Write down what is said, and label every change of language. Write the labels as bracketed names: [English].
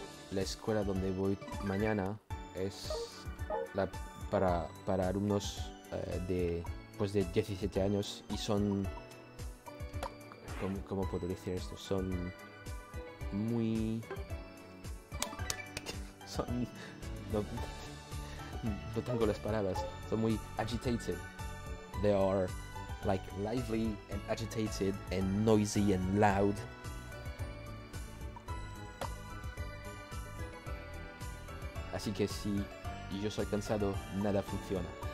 [Spanish] La escuela donde voy mañana es para alumnos de 17 años y son, ¿cómo puedo decir esto? No tengo las palabras, son muy agitated. [English] They are like lively and agitated and noisy and loud. [Spanish] Así que si yo soy cansado, nada funciona.